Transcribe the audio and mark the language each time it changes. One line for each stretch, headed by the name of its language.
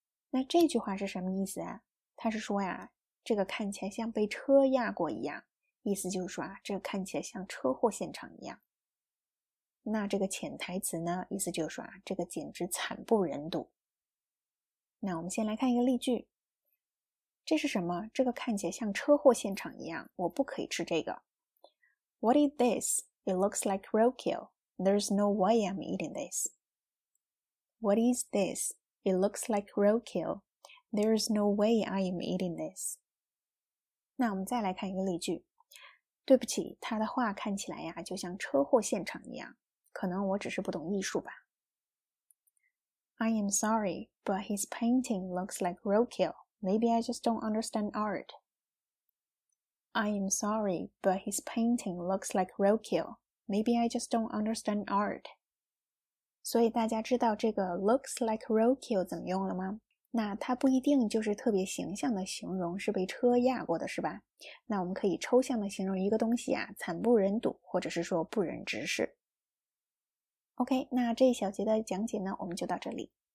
Chinese: 那这句话是什么意思啊？他是说呀，这个看起来像被车压过一样，意思就是说啊，这个看起来像车祸现场一样。那这个潜台词呢，意思就是说啊，这个简直惨不忍睹。那我们先来看一个例句。这是什么？这个看起来像车祸现场一样，我不可以吃这个。
English: What is this? It looks like roadkill. There's no way I'm eating this. What is this? It looks like roadkill. There's no way I am eating this.
Chinese: 那我们再来看一个例句。对不起，他的话看起来呀，就像车祸现场一样，可能我只是不懂艺术吧。
English: I am sorry, but his painting looks like roadkill. Maybe I just don't understand art. I am sorry, but his painting looks like roadkill. Maybe I just don't understand art.
Chinese: 所以大家知道这个
English: looks like roadkill
Chinese: 怎么用了吗？那它不一定就是特别形象的形容是被车压过的，是吧？那我们可以抽象的形容一个东西啊，惨不忍睹，或者是说不忍直视。OK, 那这一小节的讲解呢，我们就到这里。